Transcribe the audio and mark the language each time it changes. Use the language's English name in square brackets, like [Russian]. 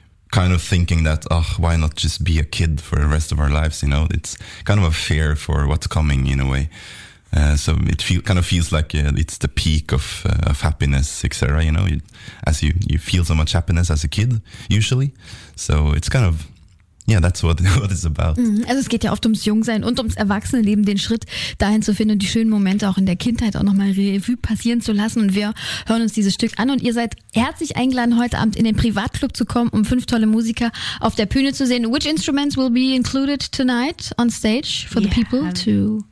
[English] kind of thinking that, oh, why not just be a kid for the rest of our lives, you know? It's kind of a fear for what's coming in a way. So it feels like it's the peak of happiness, etc. You know, you feel so much happiness as a kid, usually. So it's kind of, yeah, that's what it's about. Mm-hmm. [German] Also es geht ja oft ums Jungsein und ums Erwachsenenleben, den Schritt dahin zu finden und die schönen Momente auch in der Kindheit auch nochmal Revue passieren zu lassen. Und wir hören uns dieses Stück an und ihr seid herzlich eingeladen, heute Abend in den Privatclub zu kommen, um 5 tolle Musiker auf der Bühne zu sehen. [English] Which instruments will be included tonight on stage for the people to...